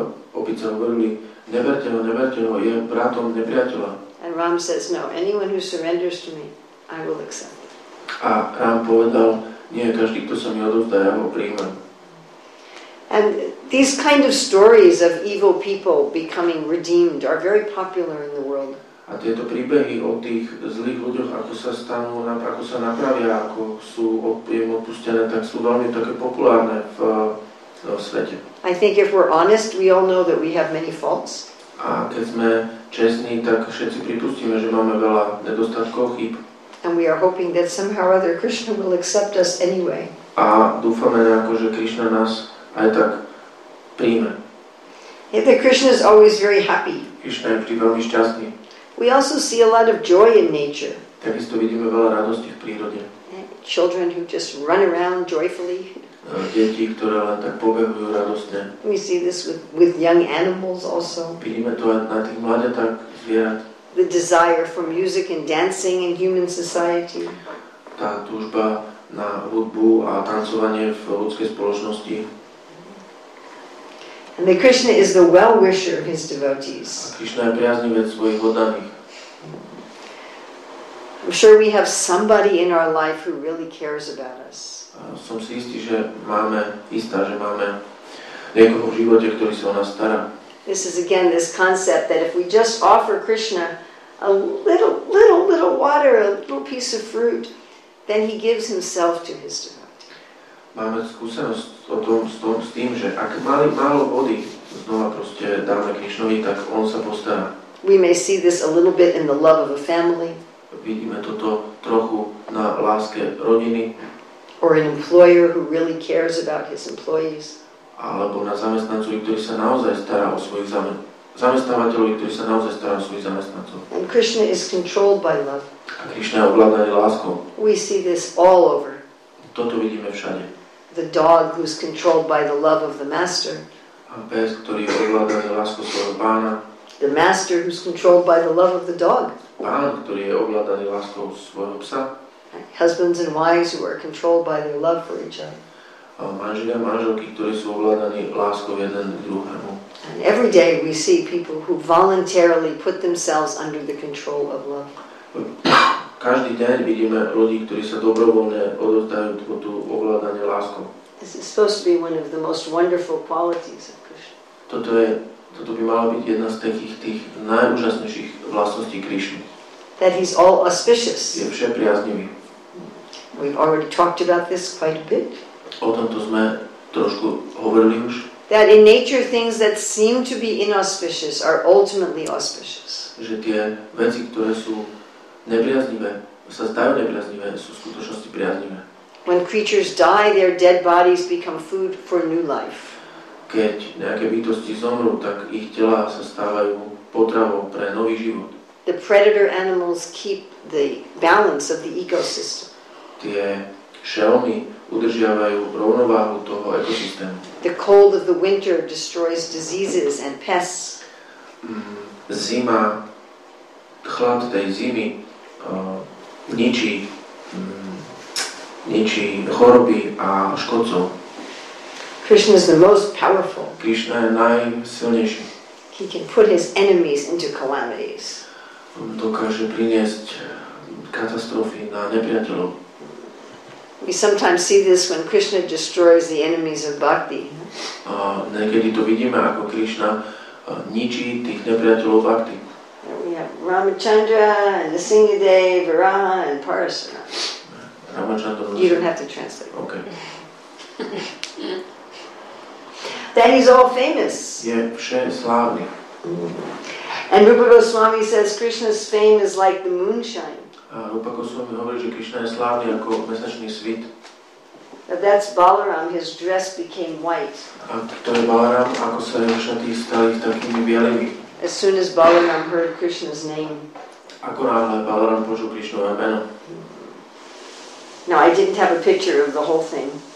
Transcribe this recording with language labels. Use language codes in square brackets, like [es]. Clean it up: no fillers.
[sk] Opice hovorili, neberte ho, neberte ho. Je bratom nepriateľa. [en] And Ram says, no, anyone who surrenders to me, I will accept. [sk] A Ram povedal, nie, každý, kto sa mi odovzdá, ja ho prijímam. [en] And these kind of stories of evil people becoming redeemed are very popular in the world. [sk] A tieto príbehy o tých zlých ľuďoch, ako sa stanú, ako sa napravia, ako sú im odpustené, tak sú veľmi také populárne v svete. [en] I think if we're honest, we all know that we have many faults. [sk] A keď sme čestní, tak všetci pripustíme, že máme veľa nedostatkov, chýb. [en] And we are hoping that somehow or other Krishna will accept us anyway. [sk] A dúfame nejako, že Krishna nás aj tak príjme. [en] Yeah, that Krishna is always very happy. [sk] Krishna je vždy veľmi šťastný. [en] We also see a lot of joy in nature. [sk] Takisto vidíme veľa radosti v prírode. [en] Children who just run around joyfully. [sk] Deti, ktoré len tak pobehujú radostne. [en] We see this with young animals also. [sk] Vidíme to aj na tých mladiatách zvierat. [en] The desire for music and dancing in human society. [sk] Tá túžba na hudbu a tancovanie v ľudskej spoločnosti. [en] And the Krishna is the well-wisher of his devotees. [sk] A Krishna je priaznivec svojich oddaných. [en] I'm sure we have somebody in our life who really cares about us. [sk] Som si istý, že máme niekoho v živote, ktorý sa o nás stará. [en] This is again this concept that if we just offer Krishna a little water, a little piece of fruit, then he gives himself to his devotee. [sk] Máme skúsenosť o tom, s tým, že ak málo vody znova proste dáme Krishnovi, tak on sa postará. [en] We may see this a little bit in the love of a family. [sk] Vidíme toto trochu na láske rodiny. [en] Or an employer who really cares about his employees. [sk] Alebo na zamestnancovi, ktorý sa naozaj stará o svojich zamestnávateľov, ktorý sa naozaj stará o svojich zamestnancov. [en] And Krishna is controlled by love. [sk] A Krishna je ovládaný láskou. [en] We see this all over. [sk] Toto vidíme všade. [en] The dog who's controlled by the love of the master. [sk] A pes, ktorý je ovládaný láskou svojho pána. [en] The master who's controlled by the love of the dog. [sk] Pán, ktorý je ovládaný láskou svojho psa. [en] Husbands and wives who are controlled by their love for each other. [sk] Manželia a manželky, ktorí sú ovládaní láskou jeden k druhému. [en] And every day we see people who voluntarily put themselves under the control of love. [sk] Každý deň vidíme ľudí, ktorí sa dobrovoľne odovzdajú tú ovládanie láskou. [en] This is supposed to be one of the most wonderful qualities of Krishna. [sk] Toto by malo byť jedna z tých najúžasnejších vlastností Krishny. [en] That he's all auspicious. [sk] Je všepriaznivý. [en] We've already talked about this quite a bit. [sk] O tomto sme trošku hovorili už. [en] That in nature things that seem to be inauspicious are ultimately auspicious. [sk] Že tie veci, ktoré sú nepriaznivé, sa zdajú nepriaznivé, sú v skutočnosti priaznivé. [en] When creatures die, their dead bodies become food for new life. [sk] Keď nejaké bytosti zomrú, tak ich tela sa stávajú potravou pre nový život. [en] The predator animals keep the balance of the ecosystem. [sk] Tie šelmy udržiavajú rovnováhu toho ekosystému. [en] The cold of the winter destroys diseases and pests. [sk] Zima chlad tej zimy ničí, ničí choroby a škodcov. [en] Krishna is the most powerful. [sk] Krishna je najsilnejší. [en] He can put his enemies into calamities. [sk] On dokáže priniesť katastrofy na nepriateľov. [en] We sometimes see this when Krishna destroys the enemies of bhakti. [sk] Niekedy to vidíme, ako Krishna ničí tých nepriateľov bhakti. [en] We have Ramachandra and Nrsingadeva, Varaha and Parasara. [sk] Ramachandra. [en] You don't have to translate. Okay. That he's all famous. [sk] Je všeslávny. [en] And Rupa Goswami says Krishna's fame is like the moonshine. [sk] Rupa Goswami hovorí, že Krishna je slávny ako mesačný svit. [en] That's Balaram, his dress became white. [sk] A to je Balaram, ako sa jeho šaty stali takými bielými. [en] As soon as Balaram heard Krishna's name. [sk] Ako náhle Balaram počul Krishnovo meno. [en] No, I didn't have a picture of the whole thing.